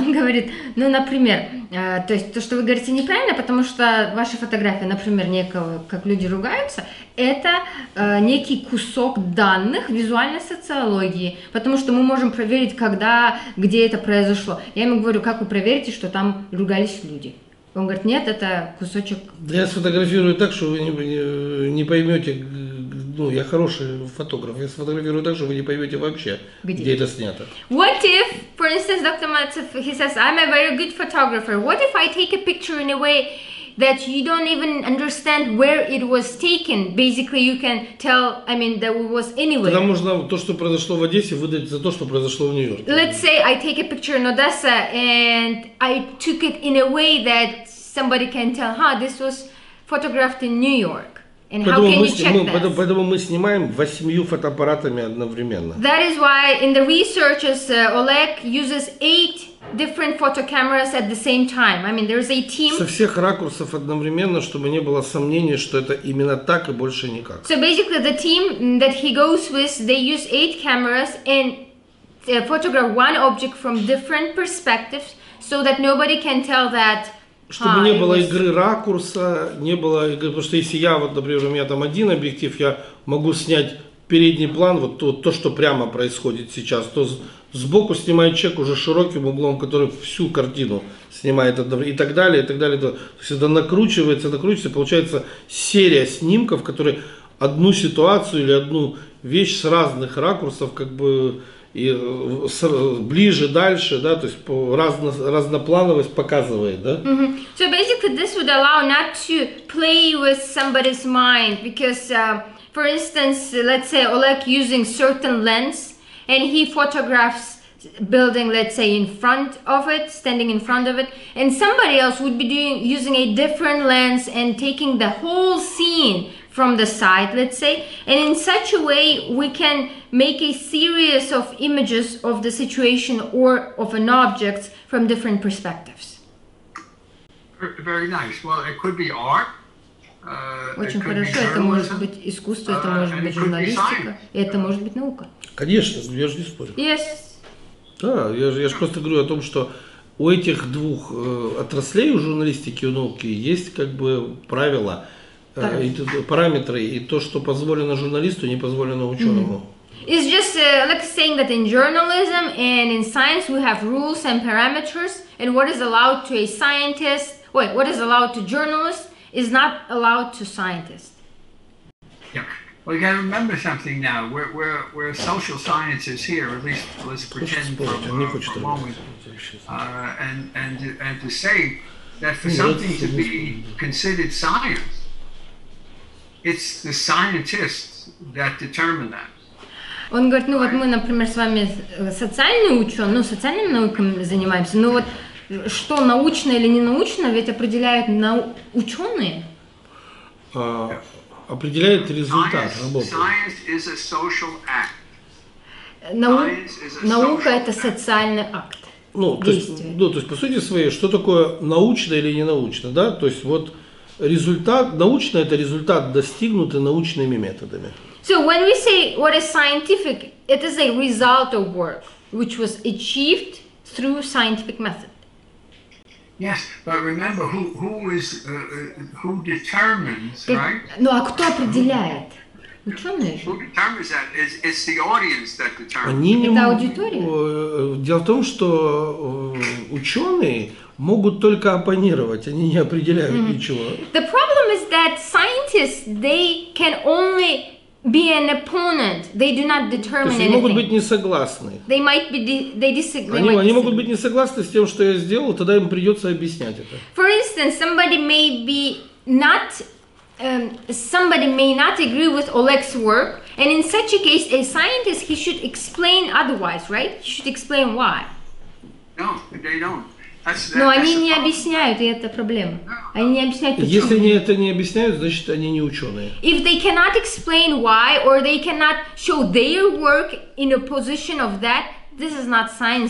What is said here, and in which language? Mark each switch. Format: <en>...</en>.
<ru>Он говорит, ну, например, то есть то, что вы говорите, неправильно, потому что ваша фотография, например, некого, как люди ругаются, это некий кусок данных визуальной социологии, потому что мы можем проверить, когда, где это произошло. Я ему говорю, как вы проверите, что там ругались люди? Он говорит, нет, это кусочек... Да я сфотографирую так, что вы не поймете, ну, я хороший фотограф, я сфотографирую так, что вы не поймете вообще, где это снято.</ru> <en>What if, for instance, Dr. Matsev, he says, I'm a very good photographer, what if I take a picture in a way that you don't even understand where it was taken, basically you can tell, I mean, that it was anywhere.</en> <ru>Тогда можно то, что произошло в Одессе, выдать за то, что произошло в Нью-Йорке.</ru> <en>Let's say I take a picture in Odessa and I took it in a way that somebody can tell, huh, this was photographed in New York. And</en> <ru>поэтому</ru> <en>how can</en> <ru>мы</ru> <en>you check this?</en> <ru>Поэтому мы снимаем 8 фотоаппаратами одновременно.</ru> <en>That is why in the researches, Oleg uses 8 different photo cameras at the same time. I mean, there is a team.</en> <ru>Со всех ракурсов одновременно, чтобы не было сомнений, что это именно так и больше никак.</ru> <en>So basically, the team that he goes with, they use 8 cameras and photograph one object from different perspectives, so that nobody can tell that</en> <ru>Чтобы не было игры ракурса, не было игры, потому что если я, вот, например, у меня там один объектив, я могу снять передний план, вот то, что прямо происходит сейчас, то сбоку снимает человек уже широким углом, который всю картину снимает и так далее, и так далее. То есть это накручивается, накручивается, получается серия снимков, которые одну ситуацию или одну вещь с разных ракурсов, как бы и ближе, дальше, да, то есть разноплановость показывает, да? Mm-hmm.</ru> <en>So basically this would allow not to play with somebody's mind, because for instance, let's say Oleg using certain lens and he photographs building, let's say, in front of it, standing in front of it, and somebody else would be doing using a different lens and taking the whole scene from the side, let's say, and in such a way we can make a series of images of the situation or of an object from different perspectives. Very nice. Well, it could be art.</en> <ru>Очень хорошо. Это может быть искусство, это может быть журналистика, и это может быть наука. Конечно, я же не спорю.</ru> <en>Yes.</en> <ru>Да, я же просто говорю о том, что у этих двух отраслей, у журналистики и у науки, есть как бы правила, параметры, и то, что позволено журналисту, не позволено ученому.</ru> <en>It's just like saying that in journalism and in science we have rules and parameters, and what is allowed to a scientist, wait, what is allowed to journalist is not allowed to scientist. Yeah, well, you gotta remember something now. We're social sciences here, at least let's pretend for a moment. And to say that for something to be considered science, it's the scientists that determine that.</en> <ru>Он говорит, ну вот мы, например, с вами социальные ученые, ну социальными науками занимаемся, но вот что научно или ненаучно, ведь определяют ученые. Определяет результат работы.</ru> <en>Science is a social act.</en> <ru>Наука это социальный акт. То есть по сути своей, что такое научно или ненаучно, да? То есть вот результат, научно это результат, достигнутый научными методами.</ru> <en>So when we say what is scientific, it is a result of work which was achieved through scientific method. Yes, but remember who determines, right?</en> <ru>Ну а кто определяет? Ученые.</ru> <en>Who determines that? It's the audience that determines.</en> <ru>Они не это аудитория. Дело в том, что ученые могут только оппонировать, они не определяют ничего.</ru> <en>The problem is that scientists they can only be an opponent. They do not determine anything.</en> <ru>Они могут быть не согласны.</ru> <en>They might be they disagree.</en> <ru>Они могут быть не согласны с тем, что я сделал, тогда им придется объяснять это.</ru> <en>For instance, somebody may not agree with Oleg's work, and in such a case, a scientist he should explain otherwise, right? He should explain why. No, they don't.</en> <ru>Но они не объясняют, и это проблема. Они не объясняют, почему. Если они это не объясняют, значит, они не ученые.</ru> <en>If they cannot explain why, or they cannot show their work in opposition of that, this is not science.</en>